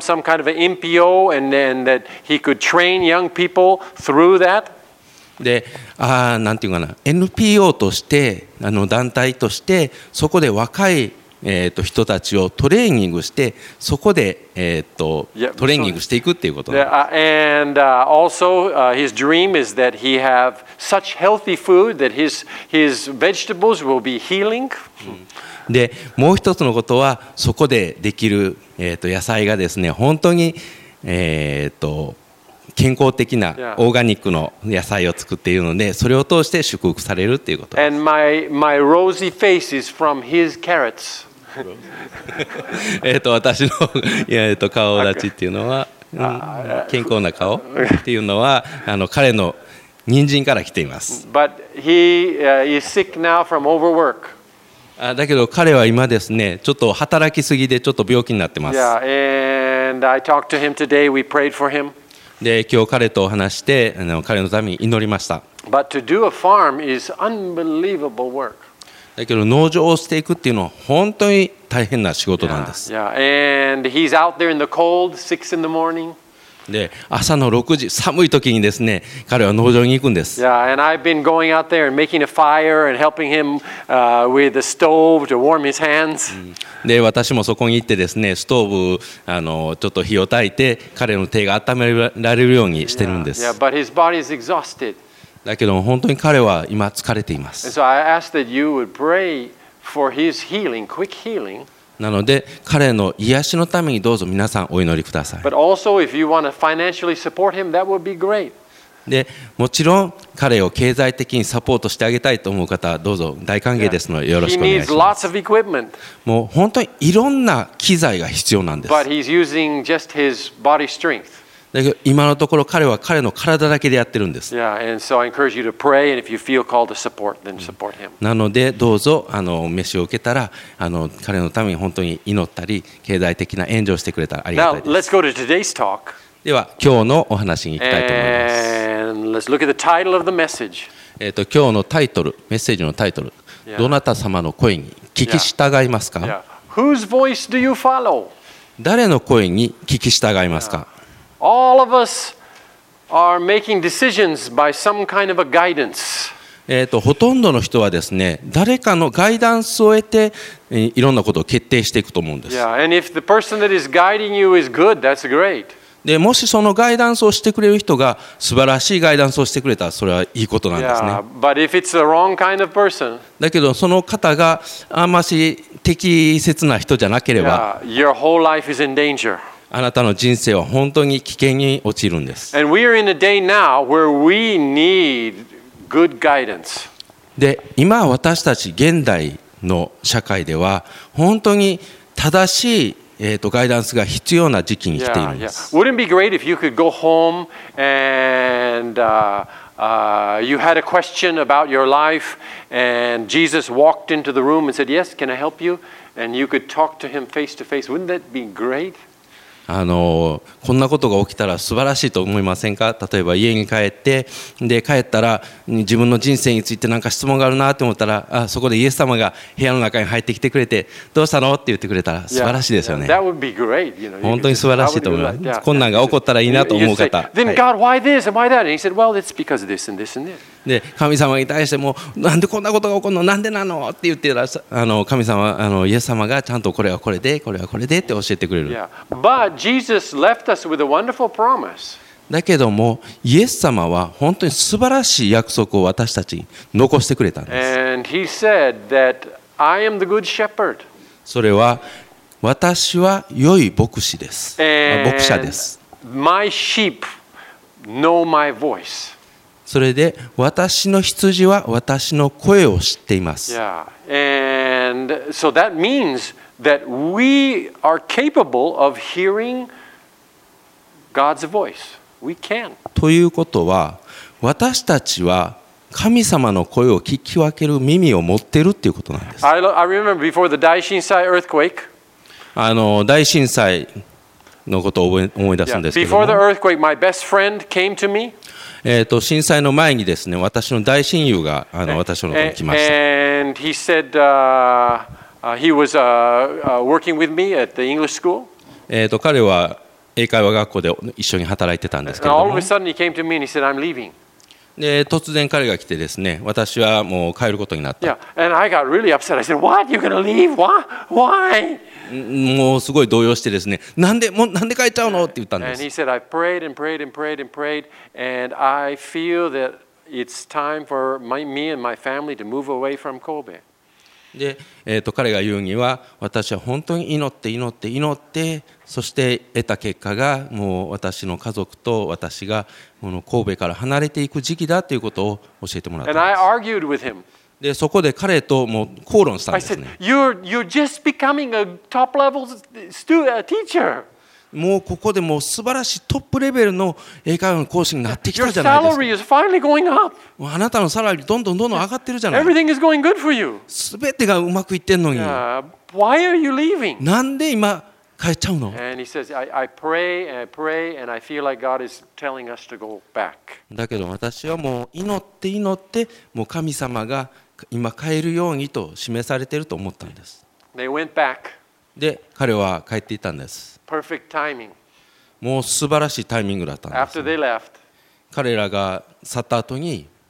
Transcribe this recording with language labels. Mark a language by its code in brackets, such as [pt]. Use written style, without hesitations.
[en] Kind of NPO and then that he could train young people through that. [ja] で、なんていうかな、NPO としてあの団体としてそこで若い人たちをトレーニングしてそこで、トレーニングしていくっていうことなんです。 [en] And also his dream is that he have such healthy food that his vegetables will be healing. [ja] でもう一つのことはそこでできる、野菜がですね本当に、健康的なオーガニックの野菜を作っているので、それを通して祝福されるということです。 [en] And my rosy face is from his carrots. [ja] 私の顔立ちっていうのは、健康な顔っていうのは、彼の人参から来ています。 [en] But he is sick now from overwork. [ja] だけど彼は今ですね、ちょっと働きすぎでちょっと病気になってます。 [en] Yeah, and I talked to him today. We prayed for him. [ja] で今日彼とお話して彼のために祈りました。 [en] But to do a farm is unbelievable work. [ja] だけど農場をしていくっていうのは本当に大変な仕事なんです。 [en] Yeah, and he's out there in the cold, 6 in the morning. [ja] で朝の6時寒い時にですね、彼は農場に行くんです。 [en] Yeah, and I've been going out there and making a fire and helping him with the stove to warm his hands. [ja] で私もそこに行ってですね、ストーブちょっと火を焚いて彼の手が温められるようにしてるんです。 [en] yeah, but his body is exhausted. [ja] だけども本当に彼は今疲れています。 [en] And so I ask that you would pray for his healing, quick healing. [ja] なので彼の癒しのためにどうぞ皆さんお祈りください。 [en] But also if you want to financially support him, that would be great. [ja] でもちろん彼を経済的にサポートしてあげたいと思う方はどうぞ大歓迎ですのでよろしくお願いします。 [en] He needs lots of equipment. [ja] もう本当にいろんな機材が必要なんです。 [en] But he's using just his body strength. [ja] だけど今のところ彼は彼の体だけでやってるんです。 [en] Yeah, and so I encourage you to pray, and if you feel called to support, then support him. [ja] なのでどうぞ召しを受けたら彼のために本当に祈ったり経済的な援助をしてくれたらありがたいです。 [en] Now, let's go to today's talk. [ja] では今日のお話に行きたいと思います。 [en] Let's look at the title of the message. [ja] 今日のタイトル、メッセージのタイトル、yeah. どなた様の声に聞き従いますか？ [en] Yeah. Whose voice do you follow? [ja] 誰の声に聞き従いますか？ [en] Yeah. All of us are making decisions by some kind of a guidance. [ja] ほとんどの人はですね、誰かのガイダンスを得て、いろんなことを決定していくと思うんです。 [en] Yeah. And if the person that is guiding you is good, that's great. [ja] でもしそのガイダンスをしてくれる人が素晴らしいガイダンスをしてくれたらそれはいいことなんですね。 [en] yeah, but if it's the wrong kind of person, [ja] だけどその方があんまし適切な人じゃなければ [en] yeah, your whole life is in danger. [ja] あなたの人生は本当に危険に陥るんです。 [en] And we are in a day now where we need good guidance. [ja] で今私たち現代の社会では本当に正しいガイダンスが必要な時期に来ているんです。 [en] yeah, yeah. Wouldn't it be great if you could go home and you had a question about your life and Jesus walked into the room and said, yes, can I help you? And you could talk to him face to face. Wouldn't that be great? [ja] こんなことが起きたら素晴らしいと思いませんか。例えば家に帰って、で帰ったら自分の人生について何か質問があるなと思ったら、あ、そこでイエス様が部屋の中に入ってきてくれて、どうしたのって言ってくれたら素晴らしいですよね。 [en] yeah, yeah. That would be great. You know, [ja] 本当に素晴らしいと思います。 [en] like, yeah. [ja] 困難が起こったらいいなと思う方、はい、 [en] Then God, why this and why that? And he said, well, it's because of this and this and this. [ja] で神様に対しても、なんでこんなことが起こるの、なんでなのって言ってたら、神様、イエス様がちゃんとこれはこれで、これはこれでって教えてくれる。 [en] yeah. ButJesus left us with a wonderful promise. [ja] だけどもイエス様は本当に素晴らしい約束を私たちに残してくれたんです。 [en] And he said that I am the good shepherd. [ja] それは私は良い牧師です。 [en] And [ja] 牧者です。 [en] My sheep know my voice. [ja] それで私の羊は私の声を知っています。 [en] Yeah. And so that means that we are capable of hearing God's voice. We can. [ja] ということは、私たちは神様の声を聞き分ける耳を持ってるっていうことなんです。 [en] I remember before the Daishinsai earthquake. [ja] 大震災のことを思い出すんですけども。 [en] Before the earthquake, my best friend came to me. [ja] 震災の前にですね、私の大親友が私のところに来ました。 [en] And he said, he was working with me at the English school. [ja] 彼は英会話学校で一緒に働いてたんですけども。 [en] And all of a sudden he came to me and he said, "I'm leaving." [ja] で突然彼が来てですね、私はもう帰ることになった。 [en] Yeah, and I got really upset. I said, "What? You're gonna leave? Why? Why?" [ja] もうすごい動揺してですね、なんで帰っちゃうのって言ったんです。 [en] And he said, "I prayed and prayed and prayed and prayed, and I feel that it's time for me and my family to move away from Kobe." [ja] で彼が言うには、私は本当に祈って祈って祈って、そして得た結果がもう私の家族と私がこの神戸から離れていく時期だということを教えてもらったんです。 [en] And I argued with him. [ja] でそこで彼ともう口論したんですね。 [en] I said, you're just becoming a top level teacher. [ja] もうここでもう素晴らしいトップレベルの英会話の講師になってきたじゃないですか。 [en] Your salary is finally going up. [ja] もうあなたのサラリーどんどんどんどん上がってるじゃない。 [en] Everything is going good for you. [ja] 全てがうまくいってんのに。 [en] Why are you leaving? [ja] なんで今帰っちゃうの。 [en] And he says, I pray and I pray and I feel like God is telling us to go back. [ja] だけど私はもう祈って祈ってもう神様が今帰るようにと示されていると思ったんです。 [en] They went back. [ja] で彼は帰っていたんです。 [en] Perfect timing. [ja] もう素晴らしいタイミングだったんです、ね。 [en] After they left. [ja] 彼らが去った後に、